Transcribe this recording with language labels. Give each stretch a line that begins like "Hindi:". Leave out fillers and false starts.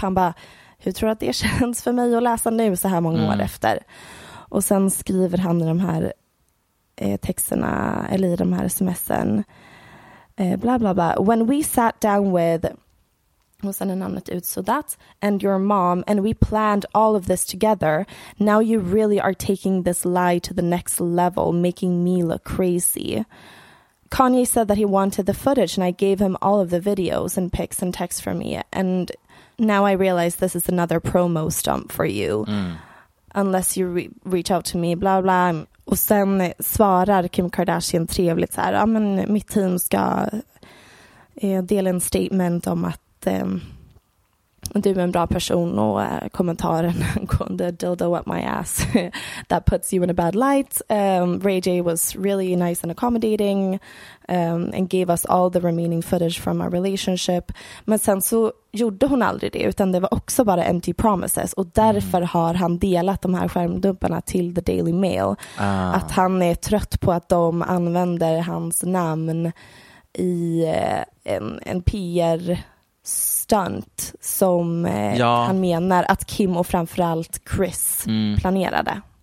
Swedish: Han bara, hur tror du att det känns för mig att läsa nu så här många år efter? Och sen skriver han i de här texterna, eller i de här sms'en, bla bla bla,
English: when we sat down with,
Swedish: och sen är namnet ut,
English: so that and your mom, and we planned all of this together. Now you really are taking this lie to the next level, making me look crazy. Kanye said that he wanted the footage, and I gave him all of the videos and pics and texts from me, and now I realize this is another promo stump for you. Mm. Unless you reach out to me, bla bla.
Swedish: Och sen svarar Kim Kardashian trevligt så här, ja men mitt team ska dela en statement om att du är en bra person, och kommentaren angående
English: dildo up my ass that puts you in a bad light. Ray J was really nice and accommodating and gave us all the remaining footage from our relationship.
Swedish: Men sen så gjorde hon aldrig det, utan det var också bara
English: empty promises,
Swedish: och därför har han delat de här skärmdumparna till The Daily Mail. Att han är trött på att de använder hans namn i en PR stunt som han menar att Kim och framförallt Chris planerade.